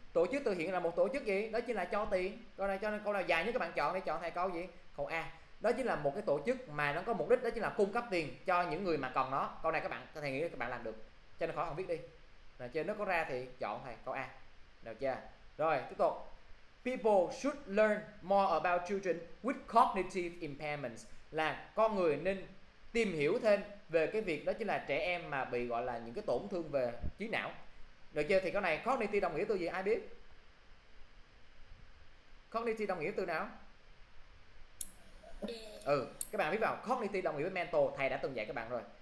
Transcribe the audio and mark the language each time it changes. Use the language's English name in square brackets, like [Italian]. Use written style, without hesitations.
[Vietnamese] Tổ chức từ thiện là một tổ chức gì? Đó chính là cho tiền. Câu này cho nên câu nào dài nhất các bạn chọn để chọn thay câu gì? Câu A. Đó chính là một cái tổ chức mà nó có mục đích, đó chính là cung cấp tiền cho những người mà cần nó. Câu này các bạn có thể nghĩ các bạn làm được. Cho nên khỏi không biết đi. Rồi chơi nó có ra thì chọn thay câu A. Được chưa? Rồi, tiếp tục. [English] People should learn more about children with cognitive impairments. [Vietnamese] Là con người nên tìm hiểu thêm về cái việc đó chính là trẻ em mà bị gọi là những cái tổn thương về trí não. Được chưa? Thì cái này cognitive đồng nghĩa từ gì? Ai biết? Cognitive đồng nghĩa từ nào? Ừ, các bạn biết vào. Cognitive đồng nghĩa với mental. Thầy đã từng dạy các bạn rồi.